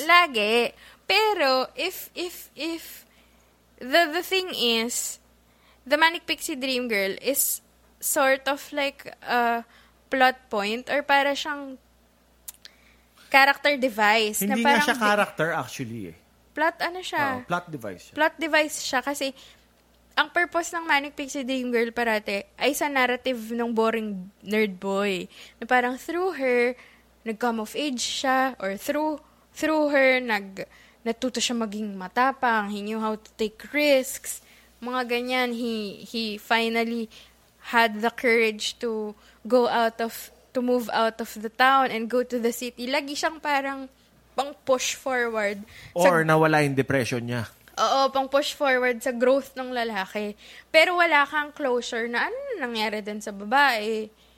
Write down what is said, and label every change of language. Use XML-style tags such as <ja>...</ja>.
<tl>Lagi. Pero,</tl> <en>if, the thing is, the Manic Pixie Dream Girl is sort of like a plot point or</en> <tl>para siyang</tl> <en>character device.</en> <tl>Hindi na parang nga siya character actually eh. Plot ano siya? Plot device siya. Plot device siya kasi ang purpose ng Manic Pixie Dream Girl parate ay sa narrative ng boring nerd boy. Na parang</tl> <en>through her, nag-come of age siya, or through her,</en> <tl>natuto siya maging matapang,</tl> <en>he knew how to take risks,</en> <tl>mga ganyan,</tl> <en>he finally had the courage to go out of, to move out of the town and go to the city.</en> <tl>Lagi siyang parang pang push forward. Or nawala yung depression niya. Oo, pang push forward sa growth ng lalaki. Pero wala kang closure na ano nangyari din sa babae.</tl>